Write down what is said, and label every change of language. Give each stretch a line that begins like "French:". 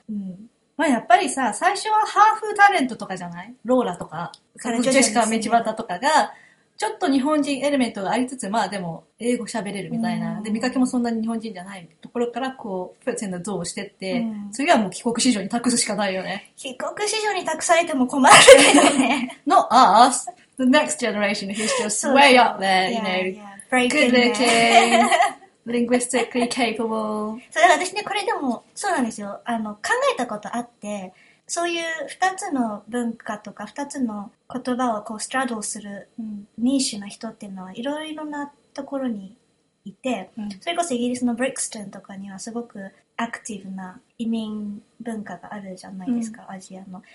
Japanese: うん、まあやっぱりさ最初はハーフタレントとかじゃない？ローラとかジェシカ・ミチバタとかがちょっと日本人エレメントがありつつ、まあでも英語喋れるみたいな、で見かけもそんなに日本人じゃないところから、こう、プレゼンの像をしてって、次はもう帰国子女に託すしかないよね。帰国子女に託されても困るけどね。
English: No, us, the next generation is just way up there, you know. Good looking, linguistically capable.
Japanese: そう、だから私ね、これでも、そうなんですよ。考えたことあって、そういう二つの文化とか二つの言葉をこうストラドルするニッシュな人っていうのはいろいろなところにいて、それこそイギリスのブリックストンとかにはすごくアクティブな移民文化があるじゃないですか、アジアの。